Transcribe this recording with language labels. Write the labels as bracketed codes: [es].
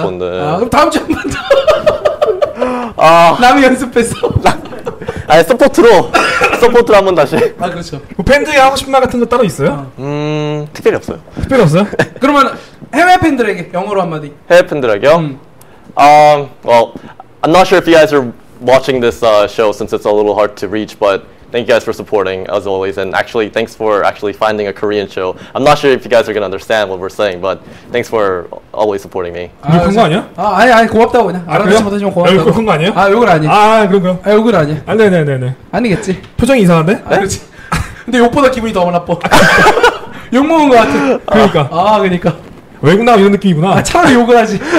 [ko] 싶었는데 아 그럼 다음 주에 한 번 더 아 남이 연습했어 아 서포트로 한 번 다시 아 그렇죠 뭐 팬들이 하고 싶은 말 같은 거 따로 있어요? 특별히 없어요 특별히 없어요? 그러면 해외 팬들에게 영어로 한마디 해외 팬들에게요? [en] I'm not sure if you guys are watching this show since it's a little hard to reach but Thank you guys for supporting, as always, and actually, thanks for actually finding a Korean show. I'm not sure if you guys are gonna understand what we're saying, but thanks for always supporting me. [ko] 욕한 거 아니야? 아니, 고맙다고 그냥. 알아듣지 못하지만 고맙다고. 욕한 거 아니야? 아, 욕을 아니야. 아, 그럼. 아, 욕을 아니야. 아니. 아니겠지. 표정이 이상한데? 아, 그렇지. 근데 욕보다 기분이 더 나빠. 욕 먹은 거 같아. 그러니까. 그러니까. 외국 나라 이런 느낌이구나. 아, 차라리 욕을 하지.